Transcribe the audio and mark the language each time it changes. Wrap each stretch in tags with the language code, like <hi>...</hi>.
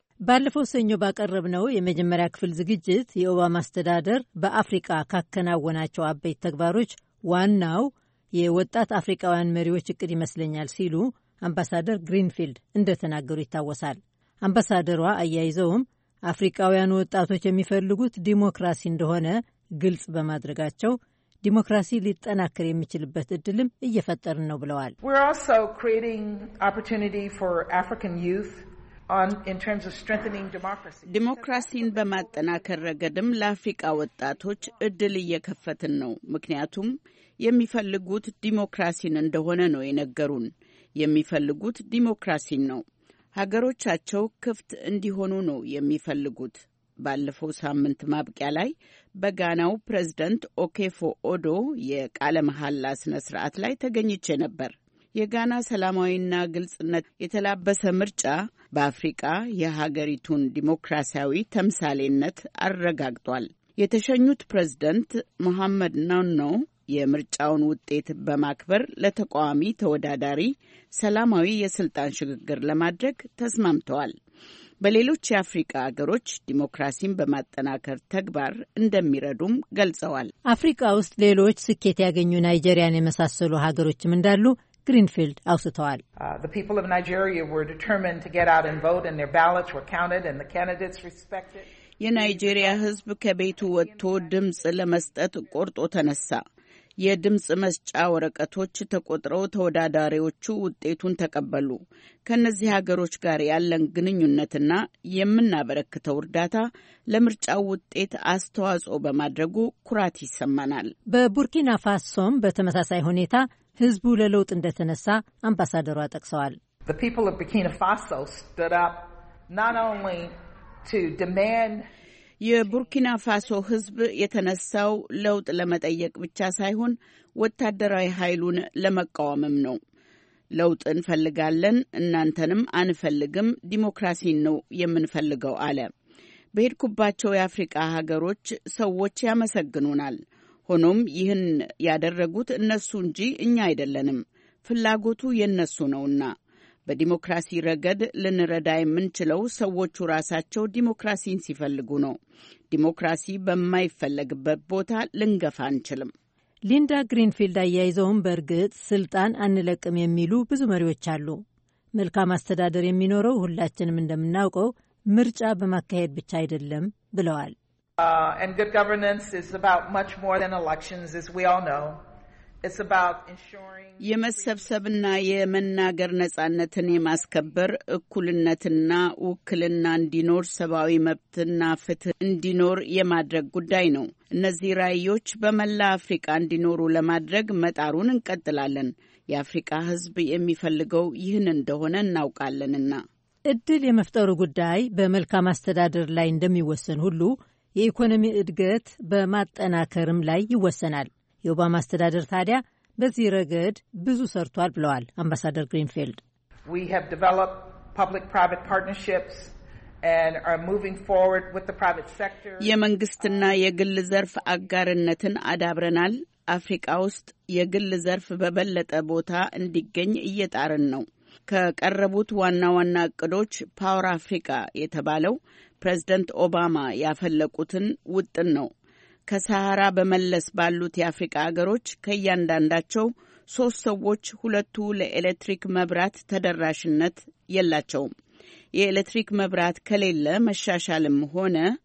<am>ባለፈው ሰኞ ባቀረብነው የመጀመሪያ ክፍል ዝግጅት የኦባማ አስተዳደር በአፍሪቃ ካከናወናቸው አበይት ተግባሮች ዋናው የወጣት አፍሪቃውያን መሪዎች እቅድ ይመስለኛል ሲሉ አምባሳደር ግሪንፊልድ እንደተናገሩ ይታወሳል። አምባሳደሯ አያይዘውም አፍሪቃውያኑ ወጣቶች የሚፈልጉት ዲሞክራሲ እንደሆነ ግልጽ በማድረጋቸው ዲሞክራሲ ሊጠናከር የሚችልበት እድልም እየፈጠርን ነው ብለዋል።</am> <en>We're also creating opportunity for African youth on in terms of strengthening democracy.</en> <am>ዲሞክራሲን በማጠናከር ረገድም ለአፍሪቃ ወጣቶች እድል እየከፈትን ነው። ምክንያቱም የሚፈልጉት ዲሞክራሲን እንደሆነ ነው የነገሩን። የሚፈልጉት ዲሞክራሲን ነው። ሀገሮቻቸው ክፍት እንዲሆኑ ነው የሚፈልጉት። ባለፈው ሳምንት ማብቂያ ላይ በጋናው ፕሬዝዳንት ኦኬፎ ኦዶ የቃለ መሐላ ስነ ስርዓት ላይ ተገኝቼ ነበር። የጋና ሰላማዊና ግልጽነት የተላበሰ ምርጫ በአፍሪቃ የሀገሪቱን ዲሞክራሲያዊ ተምሳሌነት አረጋግጧል። የተሸኙት ፕሬዝዳንት መሐመድ ናኖ የምርጫውን ውጤት በማክበር ለተቃዋሚ ተወዳዳሪ ሰላማዊ የስልጣን ሽግግር ለማድረግ ተስማምተዋል። በሌሎች የአፍሪካ አገሮች ዲሞክራሲን በማጠናከር ተግባር እንደሚረዱም ገልጸዋል። አፍሪካ ውስጥ ሌሎች ስኬት ያገኙ ናይጄሪያን የመሳሰሉ ሀገሮችም እንዳሉ ግሪንፊልድ አውስተዋል።</am> <en>The people of Nigeria were determined to get out and vote and their ballots were counted and the candidates respected.</en> <am>የናይጄሪያ ህዝብ ከቤቱ ወጥቶ ድምጽ ለመስጠት ቆርጦ ተነሳ። የድምጽ መስጫ ወረቀቶች ተቆጥረው ተወዳዳሪዎቹ ውጤቱን ተቀበሉ። ከነዚህ ሀገሮች ጋር ያለን ግንኙነትና የምናበረክተው እርዳታ ለምርጫው ውጤት አስተዋጽኦ በማድረጉ ኩራት ይሰማናል። በቡርኪና ፋሶም በተመሳሳይ ሁኔታ ህዝቡ ለለውጥ እንደተነሳ አምባሳደሩ አጠቅሰዋል።</am> <en>The people of Burkina Faso stood up not only to demand</en> <am>የቡርኪና ፋሶ ህዝብ የተነሳው ለውጥ ለመጠየቅ ብቻ ሳይሆን ወታደራዊ ኃይሉን ለመቃወምም ነው። ለውጥ እንፈልጋለን እናንተንም አንፈልግም ዲሞክራሲን ነው የምንፈልገው አለ። በሄድኩባቸው የአፍሪካ ሀገሮች ሰዎች ያመሰግኑናል። ሆኖም ይህን ያደረጉት እነሱ እንጂ እኛ አይደለንም። ፍላጎቱ የነሱ ነውና በዲሞክራሲ ረገድ ለነረዳይ ምንችለው ሰዎች ራሳቸው ዲሞክራሲን ሲፈልጉ ነው። ዲሞክራሲ በማይፈልግበት ቦታ ልንገፋ አንችልም። ሊንዳ ግሪንፊልድ አያይዘውም በርግጥ ስልጣን አንለቅም የሚሉ ብዙ መሪዎች አሉ። መልካም አስተዳደር የሚኖረው ሁላችንም እንደምናውቀው ምርጫ በማካሄድ ብቻ አይደለም ብለዋል።</am> <en>And good governance is about much more than elections as we all know. It's about ensuring</en> <am>የመሰብሰብና የመናገር ነጻነትን የማስከበር እኩልነትና ውክልና እንዲኖር ሰብአዊ መብትና ፍትህ እንዲኖር የማድረግ ጉዳይ ነው። እነዚህ ራዕዮች በመላ አፍሪካ እንዲኖሩ ለማድረግ መጣሩን እንቀጥላለን። የአፍሪካ ህዝብ የሚፈልገው ይህን እንደሆነ እናውቃለንና እድል የመፍጠሩ ጉዳይ በመልካም አስተዳደር ላይ እንደሚወሰን ሁሉ የኢኮኖሚ እድገት በማጠናከርም ላይ ይወሰናል። የኦባማ አስተዳደር ታዲያ በዚህ ረገድ ብዙ ሰርቷል ብለዋል አምባሳደር ግሪንፊልድ።</am> <en>We have developed public private partnerships and are moving forward with the private sector.</en> <am>የመንግስትና የግል ዘርፍ አጋርነትን አዳብረናል። አፍሪካ ውስጥ የግል ዘርፍ በበለጠ ቦታ እንዲገኝ እየጣርን ነው። ከቀረቡት ዋና ዋና እቅዶች ፓወር አፍሪካ የተባለው ፕሬዝዳንት ኦባማ ያፈለቁትን ውጥን ነው። ከሳሃራ በመለስ ባሉት የአፍሪካ አገሮች ከእያንዳንዳቸው 3 ሰዎች ሁለቱ ለኤሌክትሪክ መብራት ተደራሽነት የላቸውም። የኤሌክትሪክ መብራት ከሌለ መሻሻልም ሆነ</am>